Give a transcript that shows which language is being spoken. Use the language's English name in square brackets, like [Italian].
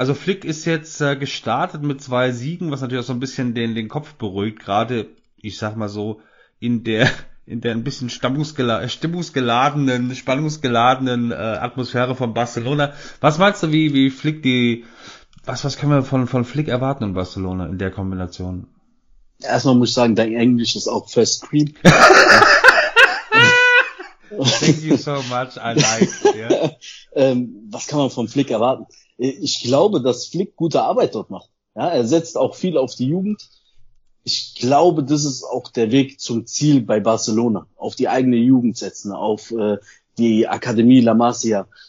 [German] Also Flick ist jetzt gestartet mit 2 Siegen, was natürlich auch so ein bisschen den Kopf beruhigt, gerade, ich sag mal so, in der ein bisschen spannungsgeladenen Atmosphäre von Barcelona. Was meinst du, wie Flick die, was können wir von Flick erwarten in Barcelona in der Kombination? Erstmal muss ich sagen, dein Englisch ist auch [English] first cream. Thank you so much, I like it. [German] Was kann man von Flick erwarten? Ich glaube, dass Flick gute Arbeit dort macht. Ja, er setzt auch viel auf die Jugend. Ich glaube, das ist auch der Weg zum Ziel bei Barcelona. Auf die eigene Jugend setzen, auf die Akademie La Masia.